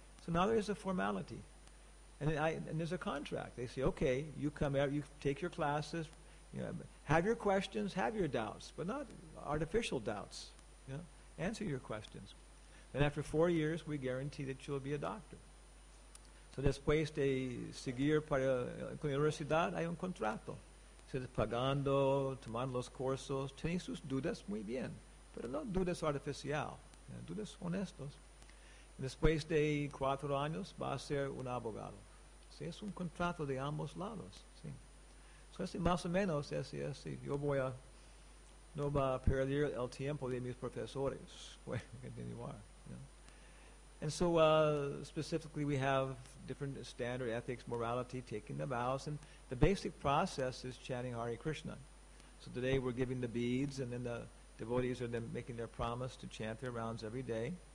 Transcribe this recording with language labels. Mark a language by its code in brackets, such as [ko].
[en] So now there is a formality, and there's a contract. They say, okay, you come out, you take your classes, you know, have your questions, have your doubts, but not artificial doubts. You know? Answer your questions. Then after 4 years, we guarantee that you'll be a doctor. [es] So después de seguir para la universidad, hay un contrato. Se está pagando, tomando los cursos, tiene sus dudas muy bien, pero no dudas artificial, you know, dudas honestos. Después de 4 años, va a ser un abogado. Sí, es un contrato de ambos lados. Sí. So, así, más o menos, así, así. Yo voy a, no va a perder el tiempo de mis profesores. Voy a continuar. You know. [en] And so, specifically, we have different standard ethics, morality, taking the vows. And the basic process is chanting Hare Krishna. So, today we're giving the beads, and then the devotees are then making their promise to chant their rounds every day.